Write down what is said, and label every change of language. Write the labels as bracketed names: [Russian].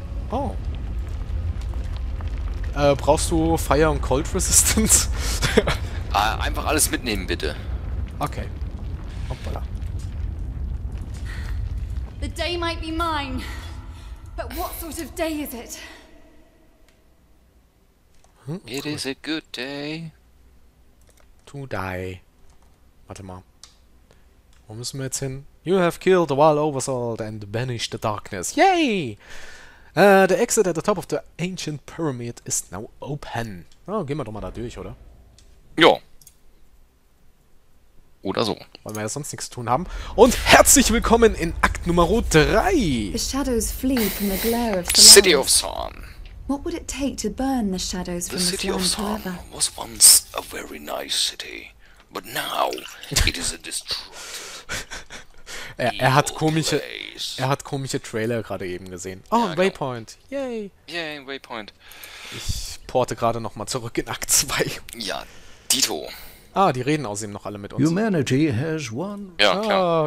[German] Oh. Brauchst du Fire und Cold Resistance? Einfach alles mitnehmen, bitte. Okay. Hoppala. [English] The day might be mine, but what sort of day is it? It is a good day. To die. [German] Warte mal. Wo müssen wir jetzt hin? [English] You have killed the Wild Oversoul and banished the darkness. Yay! The exit at the top of the ancient pyramid is now open. [German] Oh, gehen wir doch mal da durch, oder? Ja. Oder so. Weil wir ja sonst nichts zu tun haben. Und herzlich willkommen in Akt Nummer 3! [English] The shadows flee from the glare of the light. City of Sorn. What would it take to burn the shadows from the city of Sorn forever? Was once a very nice city, but now it is a destroyed. [German] Er hat komische Trailer gerade eben gesehen. Oh, ja, [English] Waypoint. [German] Genau. Yay. Yay, Waypoint. Ich porte gerade nochmal zurück in Akt 2. Ja, Dito. Ah, die reden außerdem noch alle mit uns. [English] Humanity has won. [German] Ja, klar.